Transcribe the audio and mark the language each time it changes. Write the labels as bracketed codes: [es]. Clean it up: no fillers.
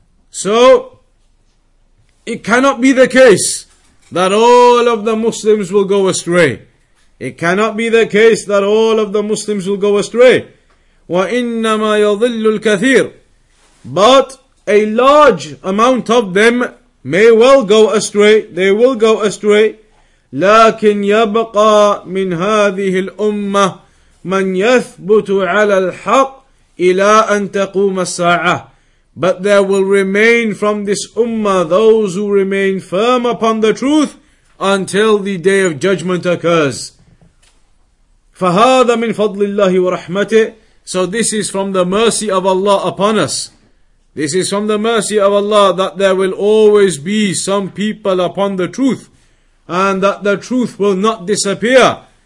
[en] So, it cannot be the case that all of the Muslims will go astray. It cannot be the case that all of the Muslims will go astray. [ar] وَإِنَّمَا يَضِلُّ الْكَثِيرُ. [en] But a large amount of them may well go astray, they will go astray. [ar] لكن يبقى من هذه الأمة من يثبت على الحق إلى أن تقوم الساعة. [en] But there will remain from this Ummah those who remain firm upon the truth until the Day of Judgment occurs. [ar] فهذا من فضل الله ورحمته. [en] So this is from the mercy of Allah upon us. This is from the mercy of Allah that there will always be some people upon the truth, and that the truth will not disappear.